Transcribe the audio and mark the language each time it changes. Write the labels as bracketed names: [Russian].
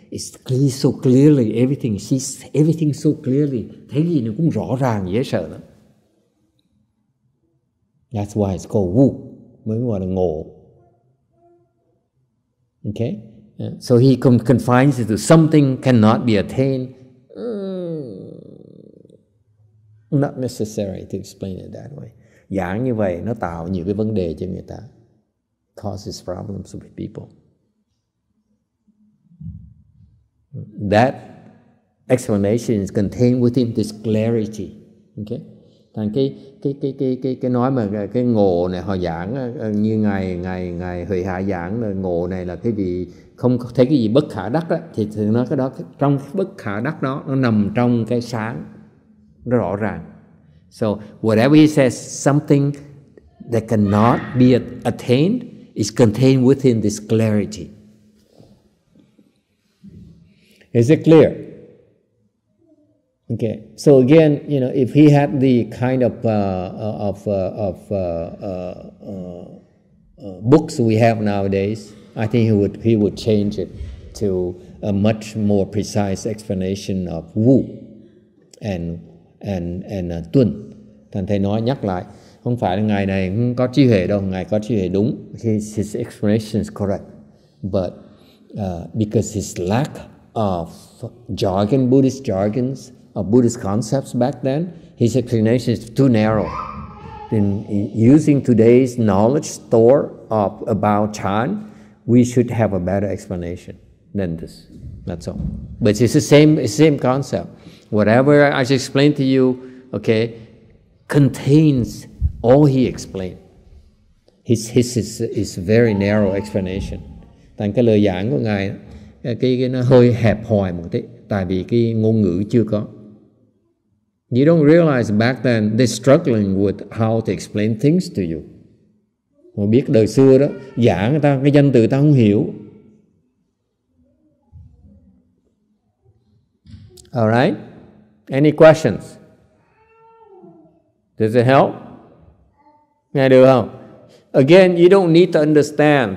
[English] It's clear, so clearly, everything sees everything so clearly. [Vietnamese] Thấy gì nó cũng rõ ràng, dễ sợ lắm. [English] That's why it's called Wu. [Vietnamese] Mới gọi là ngộ. [English] Okay? Yeah. So he confines it to something cannot be attained. Not necessary to explain it that way. [Vietnamese] Giảng như vậy, nó tạo nhiều cái vấn đề cho người ta. [English] Causes problems with people. That explanation is contained within this clarity. Okay. [Vietnamese] Thành cái nói mà cái ngộ này họ giảng như ngài Huệ Hạ giảng là ngộ này là cái gì không thấy cái gì bất khả đắc đó, thì thường nói cái đó trong bất khả đắc đó nó nằm trong cái sáng nó rõ ràng. [English] So whatever he says, something that cannot be attained is contained within this clarity. Is it clear? Okay. So again, you know, if he had the kind of books we have nowadays, I think he would change it to a much more precise explanation of Wu and Tuân. [Vietnamese] Thành thầy nói nhắc lại, không phải là ngài này không có trí huệ đâu, ngài có trí huệ đúng. [English] His explanation is correct, but because his lack of jargon, Buddhist jargons, of Buddhist concepts back then, his explanation is too narrow. Then, using today's knowledge store of about Chan, we should have a better explanation than this. That's all. But it's the same concept. Whatever I just explained to you, okay, contains all he explained. His very narrow explanation. [Vietnamese] Thành cái lời giảng của ngài cái nó hơi hẹp hòi một tí, tại vì cái ngôn ngữ chưa có. [English] You don't realize back then they're struggling with how to explain things to you. [Vietnamese] Mà biết đời xưa đó, giảng người ta cái danh từ ta không hiểu. [English] All right? Any questions? Does it help? [Vietnamese] Nghe được không? [English] Again, you don't need to understand.